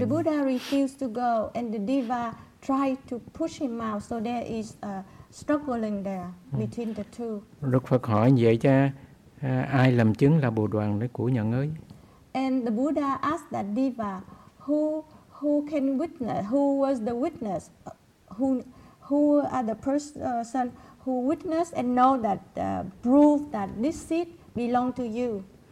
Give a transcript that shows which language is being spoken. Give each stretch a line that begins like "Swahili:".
English: The Buddha refused to go, and the diva tried to push him out, so there is a struggling there between the two.
Vietnamese: Đức Phật hỏi vậy cha, ai làm chứng là bồ đoàn đấy của nhà ngươi?
English: And the Buddha asked that diva, who can witness, who was the witness, who are the person who witnessed and know that prove that this seat belong to you?